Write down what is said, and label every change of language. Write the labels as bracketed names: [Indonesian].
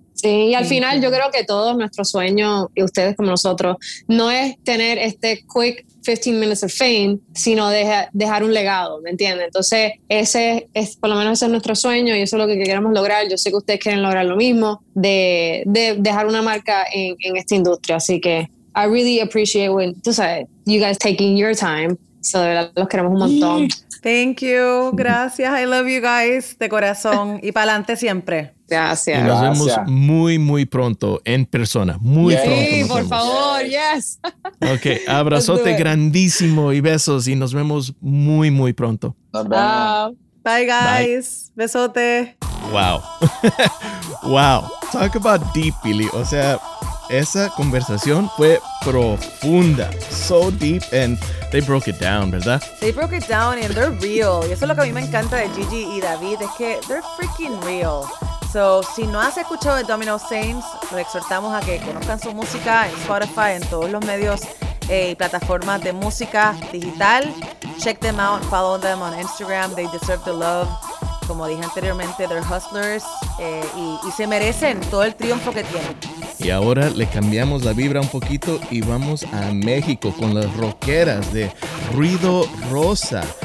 [Spanish] Sí, y al final yo creo que todos nuestros sueños, y ustedes como nosotros, no es tener este [English] quick 15 minutes of fame, [Spanish] sino dejar un legado, ¿me entiendes? Entonces, ese es, por lo menos ese es nuestro sueño y eso es lo que queremos lograr. Yo sé que ustedes quieren lograr lo mismo, de dejar una marca en esta industria. Así que, [English] I really appreciate when, [Spanish] tú sabes, [English] you guys taking your time. [Spanish] So, de verdad, los queremos un montón. [English] Thank you. [Spanish] Gracias. [English] I love you guys [Spanish] de corazón y para adelante siempre. Gracias. Y nos gracias. Vemos muy, muy pronto en persona. Muy pronto. Sí, por favor. [English] Yes. Ok. [Spanish] Abrazote grandísimo y besos y nos vemos muy, muy pronto. [English] Bye, guys. Bye. [Spanish] Besote. [English] Wow. Wow. Talk about deep, Billy. [Spanish] O sea, esa conversación fue profunda, [English] so deep, and they broke it down, [Spanish] ¿verdad? [English] They broke it down and they're real. [Spanish] Y eso es lo que a mí me encanta de Gigi y David, es que [English] they're freaking real. [Spanish] So, si no has escuchado de Domino Saints, le exhortamos a que conozcan su música en Spotify, en todos los medios y plataformas de música digital. [English] Check them out, follow them on Instagram, they deserve the love. [Spanish] Como dije anteriormente, [English] they're hustlers [Spanish] y se merecen todo el triunfo que tienen. Y ahora le cambiamos la vibra un poquito y vamos a México con las rockeras de Ruido, Rosa.